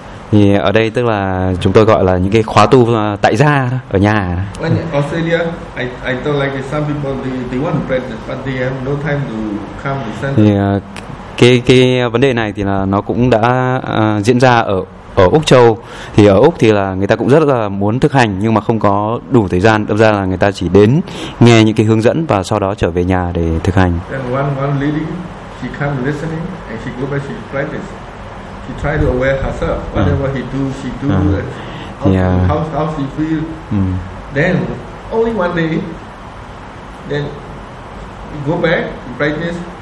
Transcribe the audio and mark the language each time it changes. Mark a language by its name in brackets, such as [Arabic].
[Vietnamese] Thì ở đây tức là chúng tôi gọi là những cái khóa tu tại gia đó, ở nhà. [English] When Australia, I don't like it. Some people they want to practice, but they have no time to come to center. [Vietnamese] Thì cái vấn đề này thì là nó cũng đã diễn ra ở Úc Châu. Thì ở Úc thì là người ta cũng rất là muốn thực hành nhưng mà không có đủ thời gian. Đâm ra là người ta chỉ đến nghe những cái hướng dẫn và sau đó trở về nhà để thực hành. [English] Then one lady, she come listening and she go back, she practice. She try to aware herself. Whatever he do, she do. How she feel. Then only one day. Then go back practice.